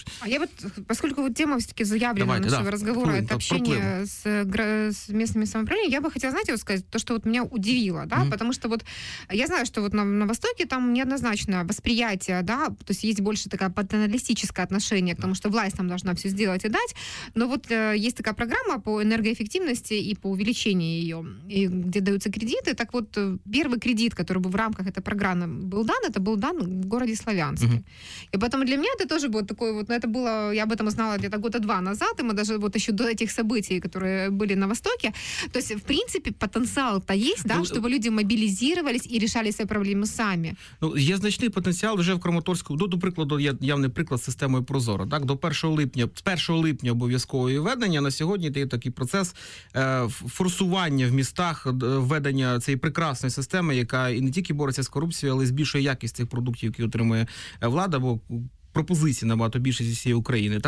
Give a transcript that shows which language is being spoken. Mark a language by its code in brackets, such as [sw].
[uk] А я от, оскільки от тема все-таки заявлена, давайте, нашого розмови, це общення з місцевими самоуправлінням, я би хотіла, знаєте, сказати, то, що от мене удивило, да? Тому що от, я знаю, що от на Востокі там неоднозначне восприятие, да? Тобто є більше таке патерналістичне відношення, тому що [ru] власть нам должна все [uk] зробити і дати. Но от є така програма по [ru] энергоэффективности и по увеличению ее, и где даются кредиты. Так вот, первый кредит, который был в рамках этой программы, был дан, это был дан в городе Славянске. Uh-huh. И поэтому для меня это тоже было такое, вот, это было, я об этом узнала где-то года два назад, и мы даже вот еще до этих событий, которые были на Востоке. То есть, в принципе, потенциал-то есть, да, чтобы люди мобилизировались и решали свои проблемы сами. [uk] Ну, є значний потенціал вже в Краматорську. Ну, до прикладу, є явний приклад з системою Прозоро. Так? До 1 липня обов'язкового введення, на сьогодні є такий процес форсування в містах введення цієї прекрасної системи, яка і не тільки бореться з корупцією, але й збільшує якість цих продуктів, які отримує влада, бо пропозиції набагато більше зі всієї України.